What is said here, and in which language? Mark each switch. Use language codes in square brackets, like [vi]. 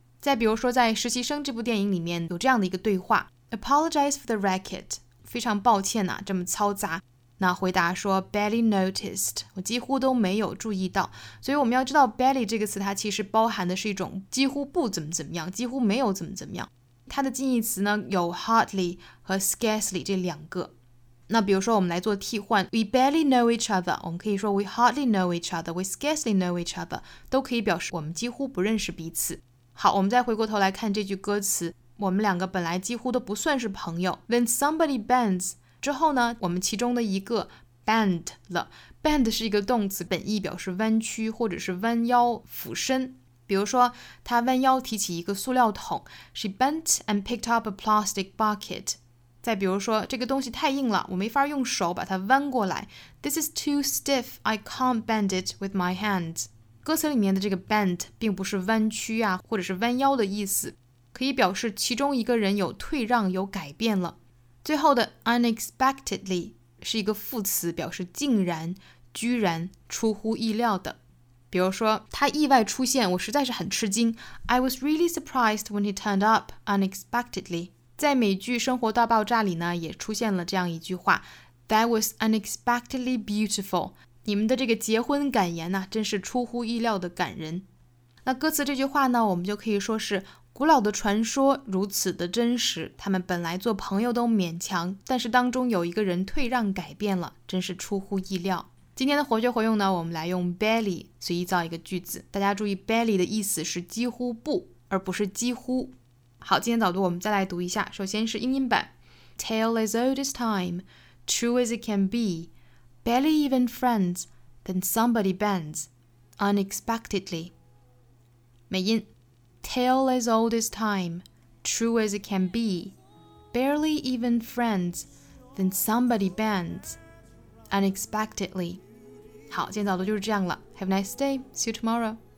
[zh] 再比如说在《实习生》这部电影里面有这样的一个对话 [en] Apologize for the racket， [zh] 非常抱歉啊，这么嘈杂。那回答说 [en] barely noticed， [zh] 我几乎都没有注意到。所以我们要知道 barely 这个词它其实包含的是一种几乎不怎么怎么样，几乎没有怎么怎么样。它的近义词呢有 hardly 和 scarcely 这两个。那比如说我们来做替换 [en] We barely know each other， [zh] 我们可以说 [en] We hardly know each other， We scarcely know each other， [zh] 都可以表示我们几乎不认识彼此。好，我们再回过头来看这句歌词，我们两个本来几乎都不算是朋友。 [en] When somebody bends [zh] 之后呢，我们其中的一个 bend 了。 bend 是一个动词，本意表示弯曲或者是弯腰俯身。比如说他弯腰提起一个塑料桶， [en] She bent and picked up a plastic bucket。 [zh] 再比如说这个东西太硬了，我没法用手把它弯过来， [en] This is too stiff, I can't bend it with my hand。 [zh] 歌词里面的这个 bend 并不是弯曲啊或者是弯腰的意思，可以表示其中一个人有退让有改变了。最后的 unexpectedly 是一个副词，表示竟然、居然、出乎意料的。比如说他意外出现，我实在是很吃惊。 [en] I was really surprised when he turned up unexpectedly。 [zh] 在美剧《生活大爆炸》里呢，也出现了这样一句话 [en] That was unexpectedly beautiful。 [zh] 你们的这个结婚感言呢，真是出乎意料的感人。那歌词这句话呢，我们就可以说是古老的传说如此的真实，他们本来做朋友都勉强，但是当中有一个人退让改变了，真是出乎意料。今天的活学活用呢，我们来用 barely 随意造一个句子，大家注意 barely 的意思是几乎不，而不是几乎。好，今天早读我们再来读一下，首先是英音版 [en] Tale as old as time, true as it can be, barely even friends, then somebody bends, unexpectedly。 [zh] 美音 [en] Tale as old as time, true as it can be, barely even friends, then somebody bends, unexpectedly. [zh] 好，今天早读就是这样了。 [en] Have a nice day. See you tomorrow.